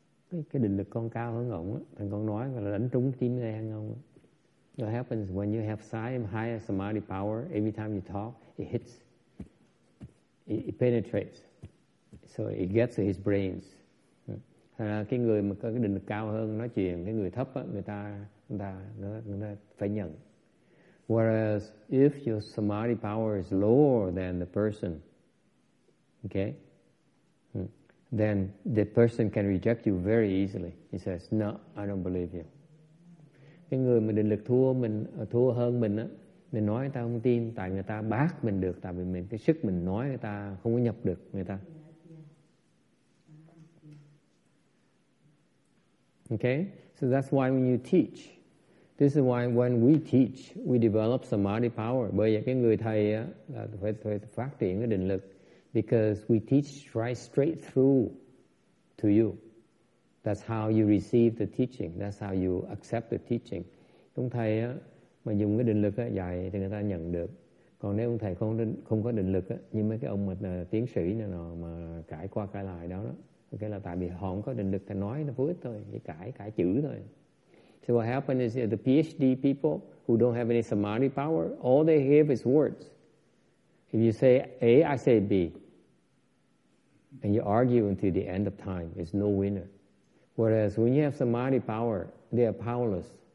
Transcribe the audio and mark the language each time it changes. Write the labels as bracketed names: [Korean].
[Vietnamese] Cái định lực con cao hơn ông á. Thằng con nói là đánh trúng tim đen ông. [English] What happens when you have higher samadhi power? Every time you talk, it hits. It penetrates. So it gets to his brains. [Vietnamese] Thành ra cái người mà có cái định lực cao hơn nói chuyện, cái người thấp á, người ta phải nhận. [English] Whereas if your samadhi power is lower than the person, okay, then the person can reject you very easily. He says, no, I don't believe you. [Vietnamese] Cái người mà định lực thua hơn mình á, mình nói người ta không tin, tại người ta bác mình được, tại vì mình cái sức mình nói người ta không có nhập được người ta. [English] Okay, so that's why when you teach, this is why when we teach, we develop samadhi power. [Vietnamese] Bởi vậy cái người thầy là phải phát triển cái định lực, [English] because we teach right straight through to you. That's how you receive the teaching. That's how you accept the teaching. [Vietnamese] Ông thầy á, mà dùng cái định lực á, dạy thì người ta nhận được. Còn nếu ông thầy không có định lực á, như mấy cái ông mà tiến sĩ này nọ mà cãi qua cãi lại đó đó. Okay, là tại vì họ không có định lực thì nói nó vô ích thôi, chỉ cãi chữ thôi. [English] So what happens is the PhD people who don't have any samadhi power, all they have is words. If you say A, I say B. And you argue until the end of time, it's no winner. Whereas when you have samadhi power, they are powerless.